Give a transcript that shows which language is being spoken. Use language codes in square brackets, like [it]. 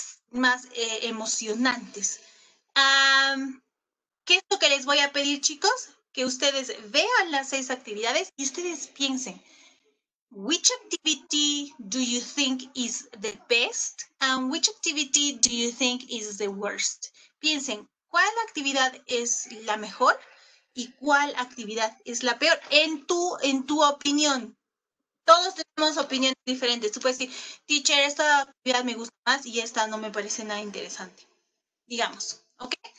[es] Más emocionantes. ¿Qué es lo que les voy a pedir, chicos? Que ustedes vean las seis actividades y ustedes piensen, [en] which activity do you think is the best and which activity do you think is the worst? [es] Piensen, ¿cuál actividad es la mejor y cuál actividad es la peor? En tu opinión. Todos tenemos opiniones diferentes. Tú puedes decir, teacher, esta actividad me gusta más y esta no me parece nada interesante. Digamos, ¿ok?